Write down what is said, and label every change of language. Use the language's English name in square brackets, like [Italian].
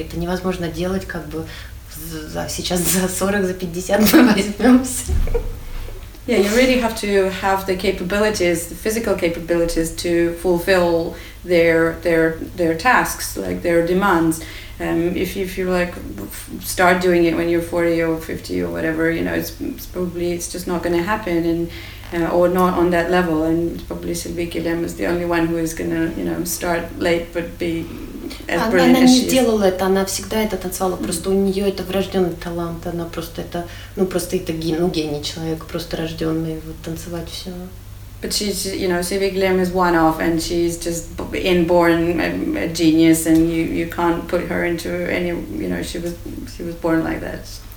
[Russian] Это невозможно делать как бы сейчас за 40, за 50 мы возьмемся. [English] Yeah, you really have to have the capabilities, the physical capabilities to fulfill their tasks, like their demands. If you start doing it when you're 40 or 50 or whatever, you know, it's probably just not going to happen, and or not on that level. And probably Sylvie Guillem is the only one who is going to, you know, start late but be as brilliant as she is. [Russian] Она не делала это, она всегда это танцевала. Просто у нее это врожденный талант. Она просто это, ну просто это гений человек, просто рожденный вот танцевать все. [English] But she's, you know, Sylvie Guillem is one off, and she's just inborn a genius, and you can't put her into any, you know, she was born like that.